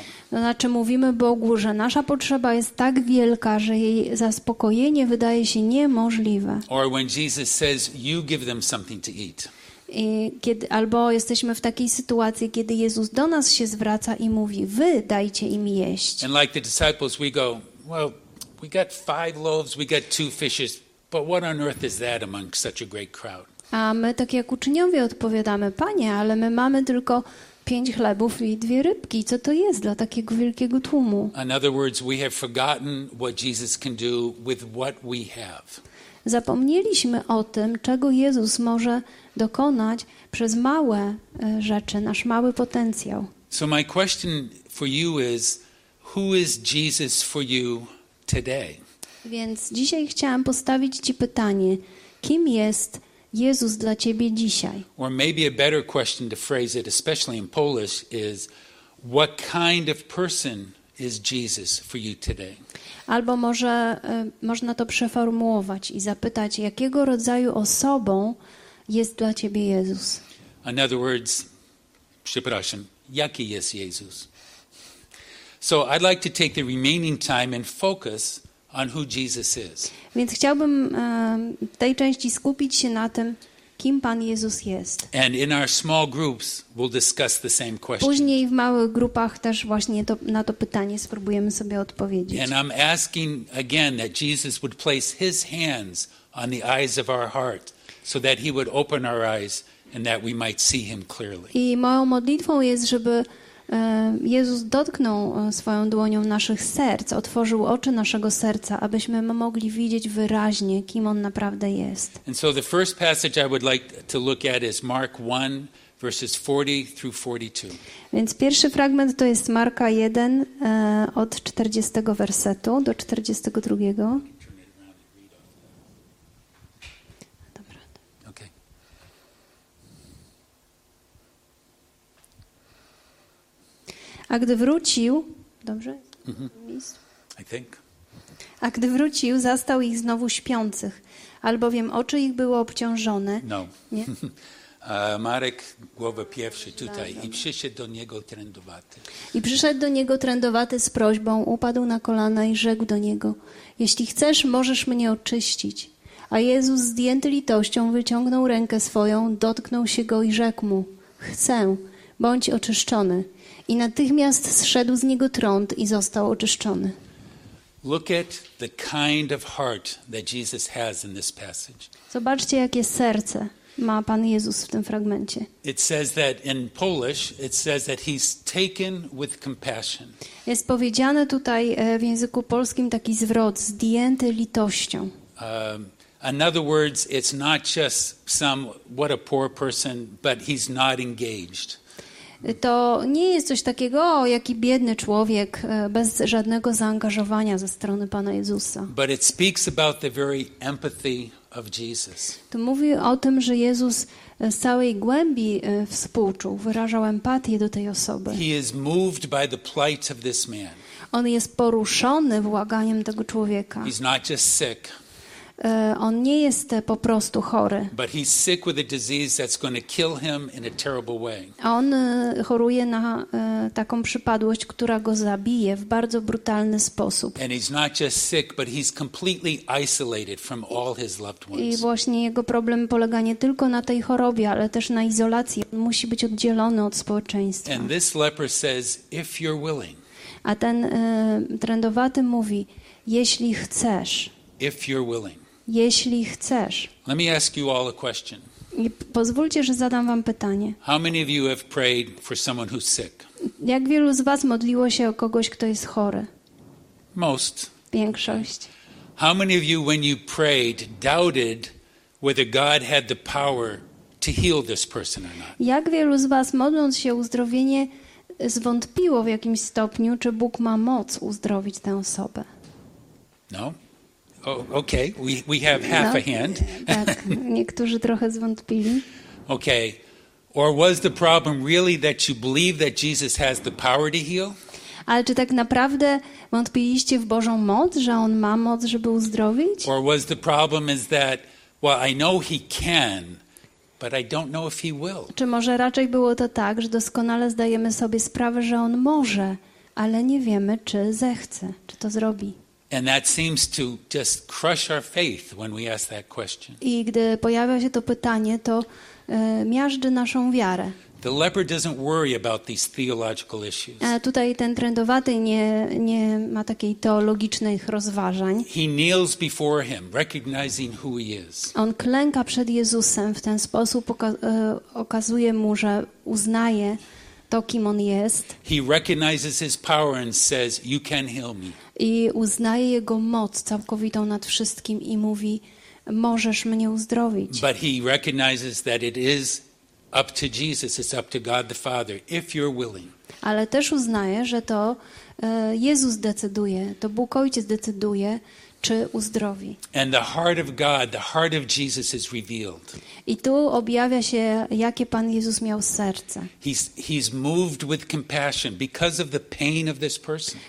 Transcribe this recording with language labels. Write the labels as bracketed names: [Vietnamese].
[Polish] Znaczy mówimy Bogu, że nasza potrzeba jest tak wielka, że jej zaspokojenie wydaje się niemożliwe. [English] Or when Jesus says, you give them something to eat. [Polish] Albo jesteśmy w takiej sytuacji, kiedy Jezus do nas się zwraca i mówi: wy dajcie im jeść. [English] And like the disciples, we go, well, we got 5 loaves, we got 2 fishes, but what on earth is that among such a great crowd? [Polish] A my tak jak uczniowie odpowiadamy: Panie, ale my mamy tylko 5 chlebów i 2 rybki. Co to jest dla takiego wielkiego tłumu? [English] In other words, we have forgotten what Jesus can do with what we have. [Polish] Zapomnieliśmy o tym, czego Jezus może dokonać przez małe rzeczy, nasz mały potencjał. [English] So my question for you is, who is Jesus for you today? [Polish] Więc dzisiaj chciałam postawić ci pytanie, kim jest Jezus dla ciebie dzisiaj? [English] Or maybe a better question to phrase it, especially in Polish, is what kind of person is Jesus for you today? [Polish] Albo może można to przeformułować i zapytać, jakiego rodzaju osobą jest dla ciebie Jezus? [English] In other words, [Polish] przepraszam, jaki jest Jezus? [English] So I'd like to take the remaining time and focus on who Jesus is. [Polish] Więc chciałbym w tej części skupić się na tym, kim Pan Jezus jest. [English] And in our small groups we'll discuss the same question. [Polish] Później w małych grupach też właśnie to, na to pytanie spróbujemy sobie odpowiedzieć. [English] And I'm asking again that Jesus would place his hands on the eyes of our heart so that he would open our eyes and that we might see him clearly. [Polish] I moją modlitwą jest, żeby Jezus dotknął swoją dłonią naszych serc, otworzył oczy naszego serca, abyśmy mogli widzieć wyraźnie, kim on naprawdę jest. [English] And so the first passage I would like to look at is Mark 1 verses 40 through 42. [Polish] Więc pierwszy fragment to jest Marka 1 od 40 wersetu do 42. A gdy wrócił, dobrze? [English] I think. [Polish] A gdy wrócił, zastał ich znowu śpiących, albowiem oczy ich były obciążone. No. Nie? Marek, głowa pierwszy tutaj. I przyszedł do niego trędowaty. I przyszedł do niego trędowaty z prośbą, upadł na kolana i rzekł do niego: jeśli chcesz, możesz mnie oczyścić. A Jezus zdjęty litością wyciągnął rękę swoją, dotknął się go i rzekł mu: chcę, bądź oczyszczony. I natychmiast zszedł z niego trąd i został oczyszczony. [English] Look at the kind of heart that Jesus has in this passage. [Polish] Zobaczcie, jakie serce ma Pan Jezus w tym fragmencie. [English] It says that in Polish, it says that he's taken with compassion. [Polish] Jest powiedziane tutaj w języku polskim taki zwrot, zdjęty litością. [English] In other words, it's not just some what a poor person, but he's not engaged. [Polish] To nie jest coś takiego, o, jaki biedny człowiek, bez żadnego zaangażowania ze strony Pana Jezusa. [English] But it speaks about the very empathy of Jesus. [Polish] To mówi o tym, że Jezus z całej głębi współczuł, wyrażał empatię do tej osoby. [English] He is moved by the plight of this man. [Polish] On jest poruszony błaganiem tego człowieka. [English] He's not just sick. [Polish] On nie jest po prostu chory. [English] But he's sick with a disease that's going to kill him in a terrible way. [Polish] On choruje na taką przypadłość, która go zabije w bardzo brutalny sposób. [English] And he's not just sick, but he's completely isolated from all his loved ones. [Polish] I właśnie jego problem polega nie tylko na tej chorobie, ale też na izolacji. On musi być oddzielony od społeczeństwa. [English] And this leper says, if you're willing. [Polish] A ten trędowaty mówi: jeśli chcesz. [English] If you're willing. [Polish] Jeśli chcesz. [English] Let me ask you all a question. [Polish] Pozwólcie, że zadam wam pytanie. [English] How many of you have prayed for someone who's sick? [Polish] Jak wielu z was modliło się o kogoś, kto jest chory? [English] Most. [Polish] Większość. [English] How many of you, when you prayed, doubted whether God had the power to heal this person or not? [Polish] Jak wielu z was, modląc się o uzdrowienie, zwątpiło w jakimś stopniu, czy Bóg ma moc uzdrowić tę osobę? [English] No. Oh, okay, we have half a hand. [Polish] Tak, niektórzy trochę zwątpili. [English] Okay. Or was the problem really that you believe that Jesus has the power to heal? [Polish] Ale czy tak naprawdę wątpiliście w Bożą moc, że on ma moc, żeby uzdrowić? [English] Or was the problem is that, well, I know he can, but I don't know if he will. [Polish] Czy może raczej było to tak, że doskonale zdajemy sobie sprawę, że on może, ale nie wiemy, czy zechce, czy to zrobi? [English] And that seems to just crush our faith when we ask that question. [Polish] I gdy pojawia się to pytanie, to miażdży naszą wiarę. [English] The leper doesn't worry about these theological issues. [Polish] Tutaj ten trędowaty nie ma takiej teologicznych rozważań. [English] He kneels before him, recognizing who he is. [Polish] On klęka przed Jezusem, w ten sposób okazuje mu, że uznaje to, kim on jest. [English] He recognizes his power and says, "You can heal me." [Polish] I uznaje jego moc całkowitą nad wszystkim i mówi: możesz mnie uzdrowić. [English] But he recognizes that it is up to Jesus, it's up to God the Father, if you're willing. [Polish] Ale też uznaje, że to Jezus decyduje, to Bóg Ojciec decyduje, czy uzdrowi. [English] And the heart of God, the heart of Jesus is revealed. [Polish] I tu objawia się, jakie Pan Jezus miał serce. [English] He's moved with compassion because of the pain of this person.